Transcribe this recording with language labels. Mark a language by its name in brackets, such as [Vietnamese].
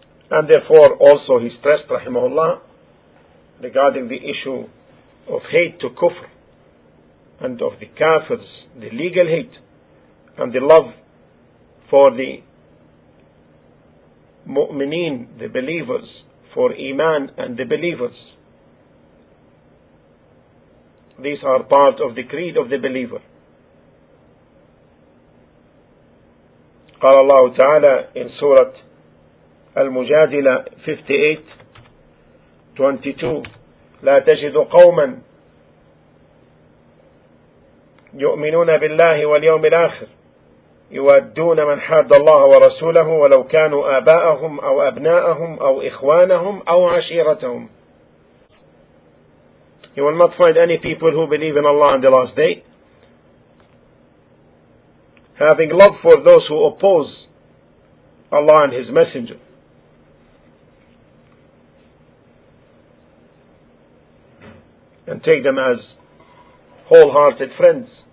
[English] And therefore also he stressed, rahimahullah, regarding the issue of hate to kufr and of the kafirs, the legal hate, and the love for the mu'mineen, the believers, for iman and the believers. These are part of the creed of the believer. [Arabic] قال الله تعالى [English] in Surah Al-Mujadila 58:22, [Arabic] لا تجد قوما يؤمنون بالله واليوم الآخر يودون من حاد الله ورسوله ولو كانوا آباءهم أو أبناءهم أو إخوانهم أو عشيرتهم. [English] You will not find any people who believe in Allah on the last day having love for those who oppose Allah and His Messenger, and take them as wholehearted friends.